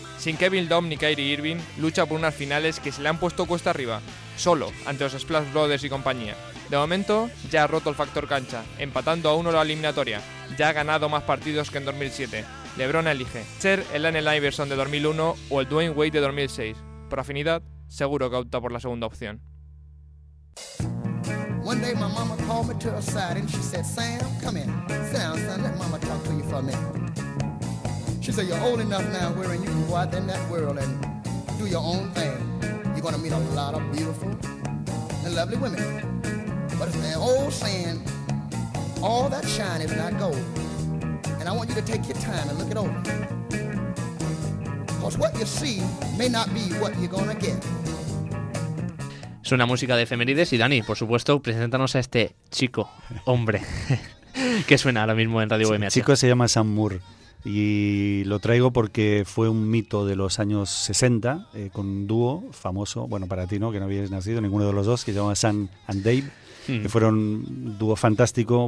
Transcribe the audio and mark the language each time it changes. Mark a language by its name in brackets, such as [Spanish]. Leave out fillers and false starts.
[Spanish] Sin Kevin Love ni Kyrie Irving, lucha por unas finales que se le han puesto cuesta arriba, solo ante los Splash Brothers y compañía. De momento, ya ha roto el factor cancha, empatando a uno la eliminatoria. Ya ha ganado más partidos que en 2007. LeBron elige ser el Allen Iverson de 2001 o el Dwayne Wade de 2006. Por afinidad, seguro que opta por la segunda opción. [English] One day my mama called me to her side and she said, Sam, come here. Sit down, son, let mama talk to you for a minute. She said, you're old enough now, where you can go out in that world and do your own thing. You're gonna meet a lot of beautiful and lovely women. But it's an old saying, all that shine is not gold. And I want you to take your time and look it over. Cause what you see may not be what you're gonna get. [Spanish] Suena música de efemérides y Dani, por supuesto, preséntanos a este chico, hombre, que suena ahora mismo en Radio UMH. Chico se llama Sam Moore y lo traigo porque fue un mito de los años 60 con un dúo famoso, bueno, para ti no, que no habías nacido, ninguno de los dos, que se llama Sam and Dave, que fueron un dúo fantástico.